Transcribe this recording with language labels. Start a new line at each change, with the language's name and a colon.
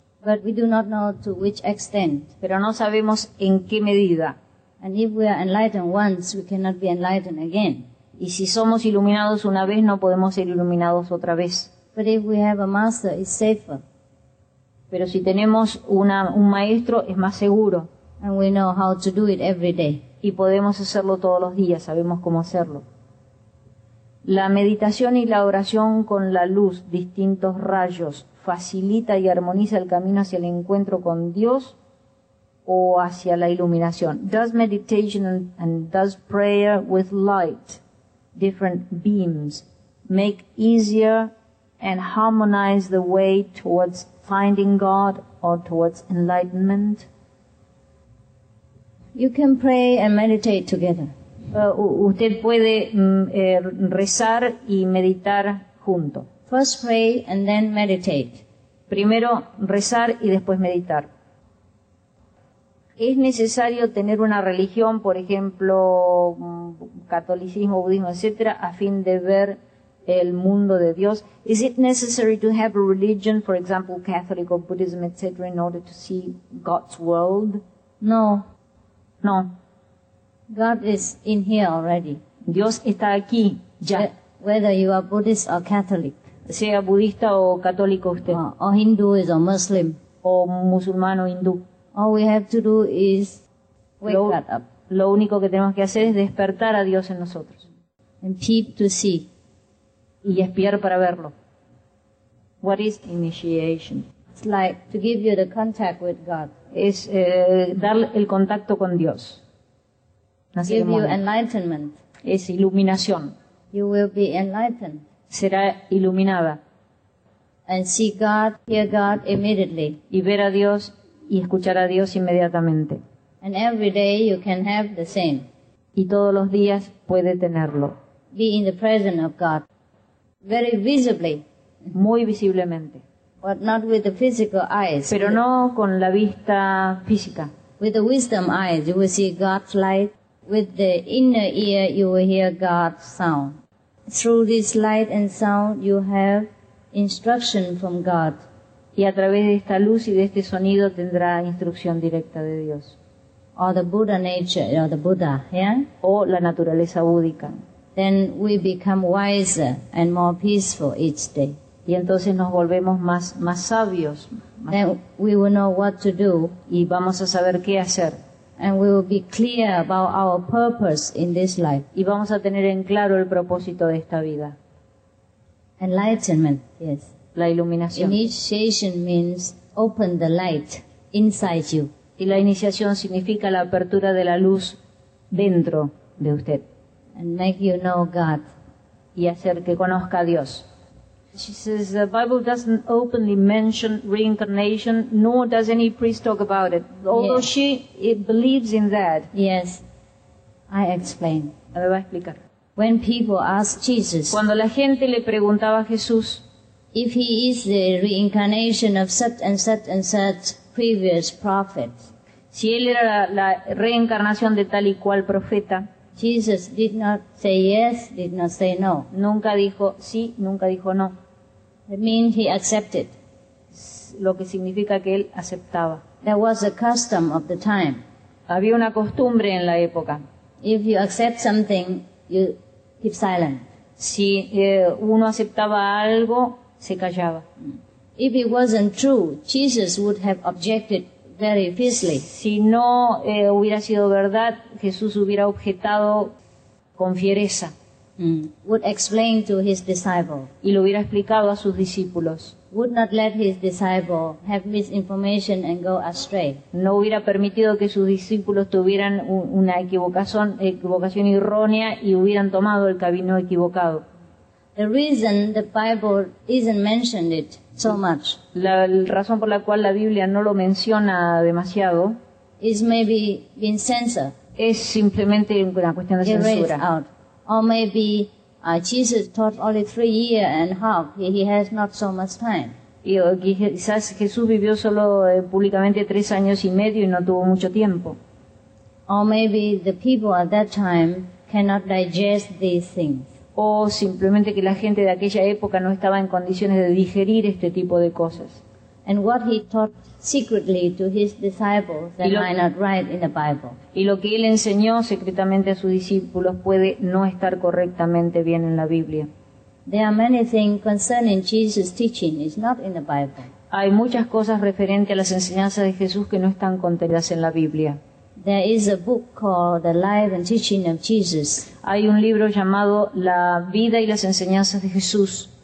English: But we do not know to which extent.
Spanish: Pero no sabemos en qué medida.
English: And if we are enlightened once, we cannot be enlightened again.
Spanish: Y si somos iluminados una vez, no podemos ser iluminados otra vez.
English: But if we have a master, it's safer.
Spanish: Pero si tenemos un maestro, es más seguro.
English: And we know how to do it every day.
Spanish: Y podemos hacerlo todos los días, sabemos cómo hacerlo. La meditación y la oración con la luz, distintos rayos, ¿facilita y armoniza el camino hacia el encuentro con Dios o hacia la iluminación?
English: Does meditation and does prayer with light, different beams, make easier and harmonize the way towards finding God or towards enlightenment? You can pray and meditate together.
Spanish: Usted puede rezar y meditar junto.
English: First pray and then meditate.
Spanish: Primero rezar y después meditar. ¿Es necesario tener una religión, por ejemplo, catolicismo, budismo, etcétera, a fin de ver el mundo de Dios?
English: Is it necessary to have a religion, for example, Catholic or Buddhism, etc., in order to see God's world? No.
Spanish: No.
English: God is in here already.
Spanish: Dios está aquí ya.
English: Whether you are Buddhist or Catholic.
Spanish: Sea budista o católico usted.
English: Or Hindu is a Muslim.
Spanish: O musulmán o hindú.
English: All we have to do is wake God up.
Spanish: Lo único que tenemos que hacer es despertar a Dios en nosotros.
English: And peep to see.
Spanish: Y espiar para verlo.
English: What is initiation? It's like to give you the contact with God.
Spanish: Es dar el contacto con Dios.
English: Give you enlightenment.
Spanish: Es iluminación.
English: You will be enlightened.
Spanish: Será iluminada.
English: And see God, hear God immediately.
Spanish: Y ver a Dios y escuchar a Dios inmediatamente.
English: And every day you can have the same.
Spanish: Y todos los días puede tenerlo.
English: Be in the presence of God. Very visibly.
Spanish: Muy visiblemente.
English: But not with the physical eyes.
Spanish: Pero no con la vista física.
English: With the wisdom eyes, you will see God's light. With the inner ear, you will hear God's sound. Through this light and sound, you have instruction from God.
Spanish: Y a través de esta luz y de este sonido tendrá instrucción directa de Dios.
English: Or the Buddha nature, or the Buddha, yeah?
Spanish: O la naturaleza búdica.
English: Then we become wiser and more peaceful each day.
Spanish: Y entonces nos volvemos más sabios. Más
English: then we will know what to do.
Spanish: Y vamos a saber qué hacer.
English: And we will be clear about our purpose in this life.
Spanish: Y vamos a tener en claro el propósito de esta vida.
English: Enlightenment, yes.
Spanish: La iluminación.
English: Initiation means open the light inside you.
Spanish: Y la iniciación significa la apertura de la luz dentro de usted.
English: And make you know God.
Spanish: Y hacer que conozca a Dios.
English: She says, the Bible doesn't openly mention reincarnation, nor does any priest talk about it. Although yes. She it believes in that. Yes, I explain.
Spanish: Me va a explicar.
English: When people ask Jesus,
Spanish: cuando la gente le preguntaba a Jesús,
English: if he is the reincarnation of such and such and such previous prophet,
Spanish: si él era la reencarnación de tal y cual profeta,
English: Jesus did not say yes, did not say no.
Spanish: Nunca dijo sí, nunca dijo no.
English: It means he accepted.
Spanish: Lo que significa que él aceptaba.
English: There was a custom of the time.
Spanish: Había una costumbre en la época.
English: If you accept something, you keep silent.
Spanish: si uno aceptaba algo, se callaba.
English: If it wasn't true, Jesus would have objected very fiercely.
Spanish: Si no hubiera sido verdad, Jesús hubiera objetado con fiereza.
English: Would explain to his disciple.
Spanish: Y lo hubiera explicado a sus discípulos.
English: Would not let his disciple have misinformation and go astray.
Spanish: No hubiera permitido que sus discípulos tuvieran una equivocación errónea y hubieran tomado el camino equivocado.
English: The reason the Bible isn't mentioned it so much.
Spanish: La razón por la cual la Biblia no lo menciona demasiado
English: is maybe being censored.
Spanish: Es simplemente una cuestión de censura.
English: Or maybe Jesus taught only 3.5 years. He has not so much time.
Spanish: Y quizás Jesús vivió solo públicamente 3.5 años y no tuvo mucho tiempo.
English: Or maybe the people at that time cannot digest these things.
Spanish: O simplemente que la gente de aquella época no estaba en condiciones de digerir este tipo de cosas.
English: And what he taught secretly to his disciples that might not write in the Bible.
Spanish: Y lo que él enseñó secretamente a sus discípulos puede no estar correctamente bien en la Biblia.
English: There are many things concerning Jesus' teaching is not in the Bible.
Spanish: Hay muchas cosas referentes a las enseñanzas de Jesús que no están contenidas en la Biblia.
English: There is a book called The Life and Teaching of Jesus.
Spanish: Hay un libro llamado La vida y las enseñanzas de Jesús.